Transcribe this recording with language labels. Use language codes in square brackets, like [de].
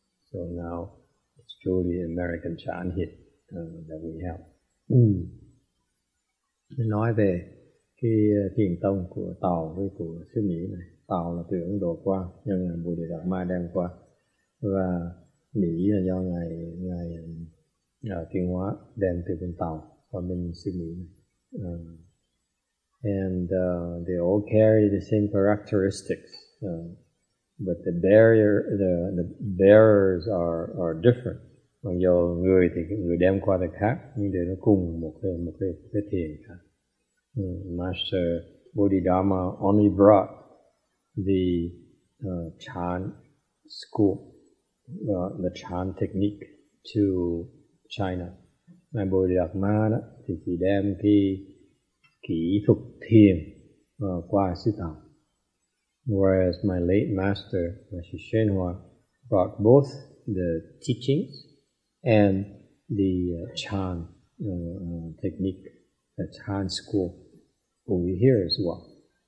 [en] So now it's truly American chant hit that we have. [vi] Nói về cái thiền tông của Tàu với của xứ Mỹ này. Tàu là từ Ấn Độ qua, do ngài Bồ Đề Đạt Ma đem qua, và Mỹ là do ngài Thiên Hóa đem từ bên Tàu qua bên xứ Mỹ này. [en] And they all carry the same characteristics, but the barrier, the bearers are different. [vi] Mặc dù người thì người đem qua là khác, nhưng để nó cùng một cái thiền khác. [en] Master Bodhidharma only brought the Chan school, the Chan technique to China. [vi] Ngài Bồ Đề Đạt Ma đó thì chỉ đem cái kỹ thuật thiền qua xứ Tàu. [en] Whereas my late master, Master Shenhua, brought both the teachings and the Chan technique, the Chan school over here as well.